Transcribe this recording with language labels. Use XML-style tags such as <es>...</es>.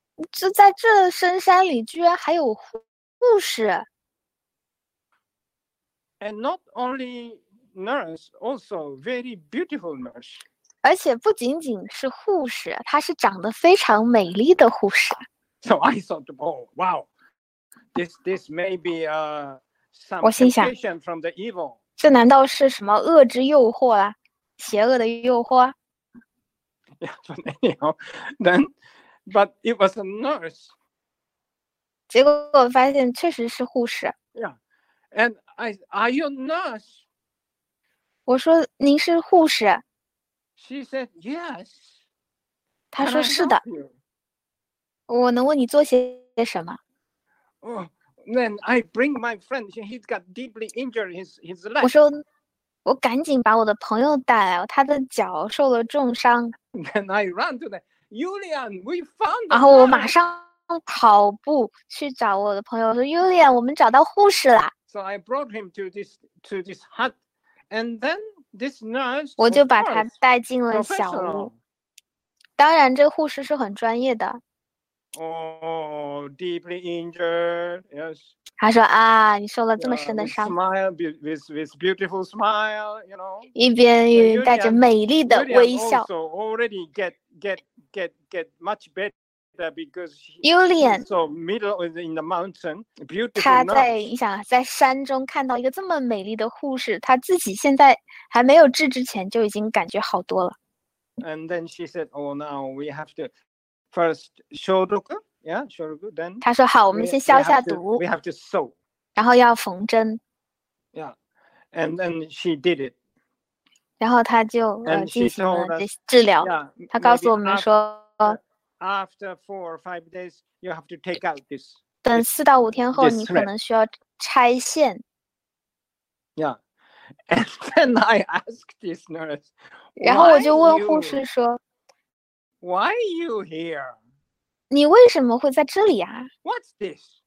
<zh>这在这深山里居然还有护士。</zh> <en>And not only nurse, also very beautiful nurse.</en> <zh>而且不仅仅是护士，她是长得非常美丽的护士。</zh> <en>So I thought, oh, wow, this may be some temptation from the evil.</en> <zh>这难道是什么恶之诱惑啊？邪恶的诱惑？</zh> <en>Yeah, but anyhow, then... But it was a nurse.</en> <zh>结果我发现确实是护士。</zh> <en>Yeah, and I are you a nurse?</en> <zh>我说您是护士。</zh> <en>She said yes.</en> <zh>她说是的。我能问你做些什么</zh> <en>？Oh, then I bring my friend. He's got deeply injured his leg.</en> <zh>我说我赶紧把我的朋友带来，他的脚受了重伤。</zh> <en>Then I ran to them. Julian, we found.</en> <zh>然后我马上跑步去找我的朋友，说 ：“Julian, 我们找到护士了。”</zh> <en>So I brought him to this hut, and then this nurse.</en> <zh>我就把他带进了小屋。当然，这护士是很专业的。</zh> <en>Oh, deeply injured. Yes.</en> <zh>他说：“啊，你受了这么深的伤。”</zh> <en>Smile with beautiful smile, you know.</en> <zh>一边带着美丽的微笑。</zh> <en>So already get much better because Julian so middle is in the mountain beautiful.</en> <zh>他在你想在山中看到一个这么美丽的护士，他自己现在还没有治之前就已经感觉好多了。</zh> <en>And then she said, "Oh, now we have to first</en> <zh>消毒</zh> <en>yeah, 消毒 Then</en> <zh>他说好，我们先消下毒。</zh> <en>We have to sew.</en> <zh>然后要缝针。</zh> <en>Yeah, and then she did it.</en> <zh>然后他就进行了这治疗。</zh> <en>Yeah,</en> <zh>他告诉我们说</zh> <en>after, after 4 or 5 days, you have to take out this.</en> <zh>等四到五天后，你可能需要拆线。</zh> <en>Yeah, and then I asked this nurse.</en> <zh>然后我就问护士说</zh> <en>，Why are you here?</en> <zh>你为什么会在这里啊</zh> <en>？What's this?</en>